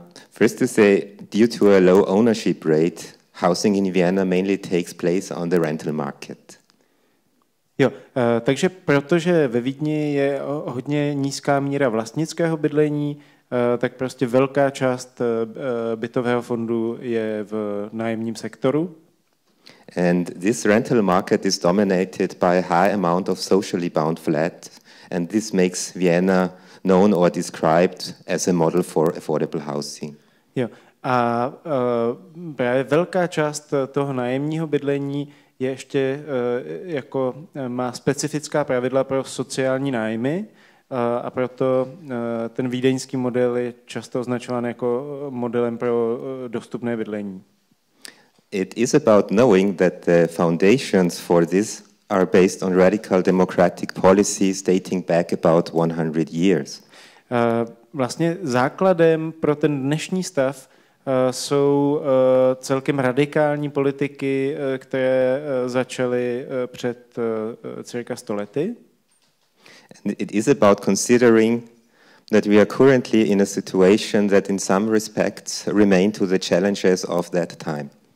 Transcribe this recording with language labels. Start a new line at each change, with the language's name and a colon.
English: First to say, due to a low ownership rate, housing in Vienna mainly takes place on the rental market.
Czech: Jo, takže protože ve Vídni je hodně nízká míra vlastnického bydlení, tak prostě velká část bytového fondu je v nájemním sektoru.
English: And this rental market is dominated by a high amount of socially bound flats, and this makes Vienna known or described as a model for affordable housing.
Czech: Jo, a právě velká část toho nájemního bydlení je ještě jako má specifická pravidla pro sociální nájmy a proto ten vídeňský model je často označován jako modelem pro dostupné bydlení.
English: It is about knowing that the foundations for this are based on radical democratic policies dating back about 100 years.
Czech: Vlastně základem pro ten dnešní stav jsou celkem radikální politiky, které začaly před cirka 100 lety.
English: And it is about considering that we are currently in a situation that in some respects remain to the challenges of that time.